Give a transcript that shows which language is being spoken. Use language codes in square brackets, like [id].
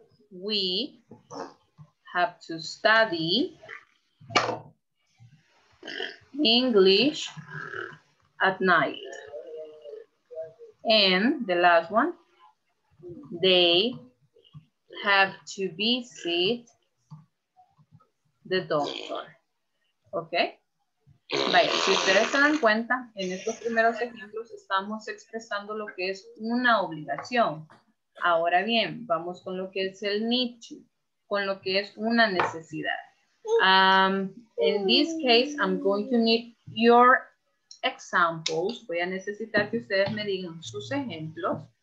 [en] We have to study English at night. And the last one, they have to visit the doctor. Okay. [es] Vaya, si ustedes se dan cuenta, en estos primeros ejemplos estamos expresando lo que es una obligación. Ahora bien, vamos con lo que es el need to, con lo que es una necesidad. [en] In this case, I'm going to need your examples. [es] Voy a necesitar que ustedes me digan sus ejemplos.